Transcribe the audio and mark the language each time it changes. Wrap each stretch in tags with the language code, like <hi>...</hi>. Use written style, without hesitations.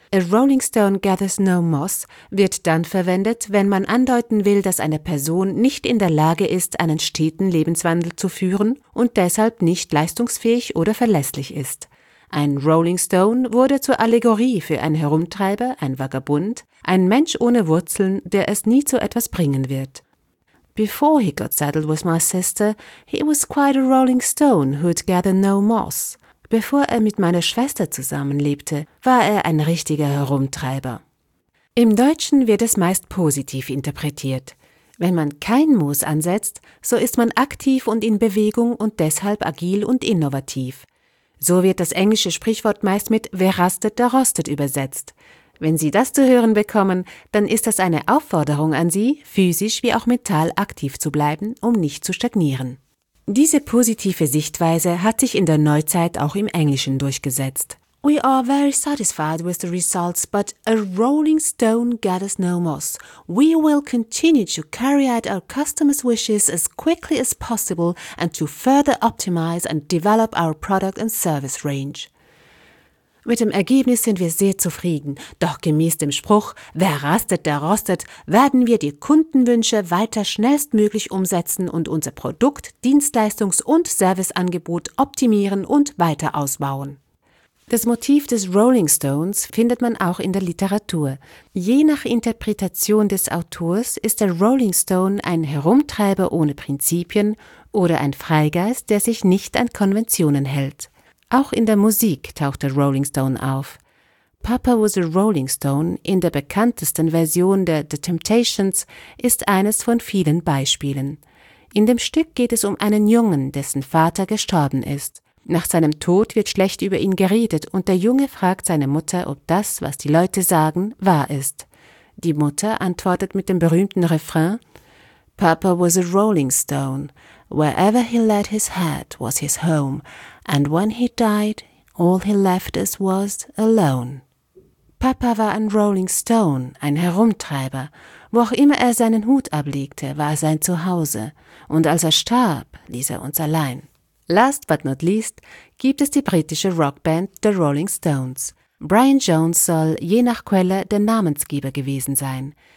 <en>A rolling stone gathers no moss</en> <de>wird dann verwendet, wenn man andeuten will, dass eine Person nicht in der Lage ist, einen steten Lebenswandel zu führen und deshalb nicht leistungsfähig oder verlässlich ist. Ein Rolling Stone wurde zur Allegorie für einen Herumtreiber, ein Vagabund, ein Mensch ohne Wurzeln, der es nie zu etwas bringen wird.</de> <en>Before he got saddled with my sister, he was quite a Rolling Stone who'd gather no moss.</en> <de>Bevor er mit meiner Schwester zusammenlebte, war er ein richtiger Herumtreiber. Im Deutschen wird es meist positiv interpretiert. Wenn man kein Moos ansetzt, so ist man aktiv und in Bewegung und deshalb agil und innovativ. So wird das englische Sprichwort meist mit »Wer rastet, der rostet« übersetzt. Wenn Sie das zu hören bekommen, dann ist das eine Aufforderung an Sie, physisch wie auch mental aktiv zu bleiben, um nicht zu stagnieren. Diese positive Sichtweise hat sich in der Neuzeit auch im Englischen durchgesetzt.</de> <en>We are very satisfied with the results, but a rolling stone gathers no moss. We will continue to carry out our customers' wishes as quickly as possible and to further optimize and develop our product and service range.</en> <de>Mit dem Ergebnis sind wir sehr zufrieden, doch gemäß dem Spruch, wer rastet, der rostet, werden wir die Kundenwünsche weiter schnellstmöglich umsetzen und unser Produkt-, Dienstleistungs- und Serviceangebot optimieren und weiter ausbauen. Das Motiv des Rolling Stones findet man auch in der Literatur. Je nach Interpretation des Autors ist der Rolling Stone ein Herumtreiber ohne Prinzipien oder ein Freigeist, der sich nicht an Konventionen hält. Auch in der Musik taucht der Rolling Stone auf. Papa Was a Rolling Stone in der bekanntesten Version der The Temptations ist eines von vielen Beispielen. In dem Stück geht es um einen Jungen, dessen Vater gestorben ist. Nach seinem Tod wird schlecht über ihn geredet und der Junge fragt seine Mutter, ob das, was die Leute sagen, wahr ist. Die Mutter antwortet mit dem berühmten Refrain:</de> <en>Papa was a rolling stone. Wherever he laid his head was his home. And when he died, all he left us was alone.</en> <de>Papa war ein rolling stone, ein Herumtreiber. Wo auch immer er seinen Hut ablegte, war er sein Zuhause. Und als er starb, ließ er uns allein.</de> <en>Last but not least</en> <de>gibt es die britische Rockband The Rolling Stones. Brian Jones soll, je nach Quelle, der Namensgeber gewesen sein.</de>